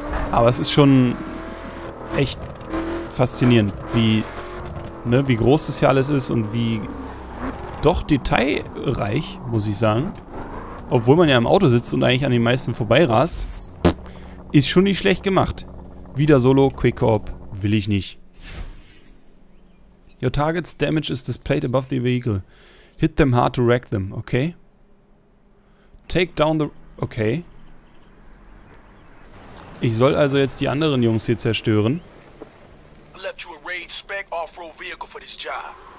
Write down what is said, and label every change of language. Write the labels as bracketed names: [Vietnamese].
[German] Aber es ist schon echt faszinierend, wie groß das hier alles ist und wie doch detailreich, muss ich sagen. Obwohl man ja im Auto sitzt und eigentlich an den meisten vorbeirast, ist schon nicht schlecht gemacht. Wieder Solo, Quick Corp, will ich nicht. [English] Your target's damage is displayed above the vehicle. Hit them hard to wreck them, okay? Take down the... Okay. [German] Ich soll also jetzt die anderen Jungs hier zerstören. [English] I left you a Rage Spec Off-Road Vehicle for this job.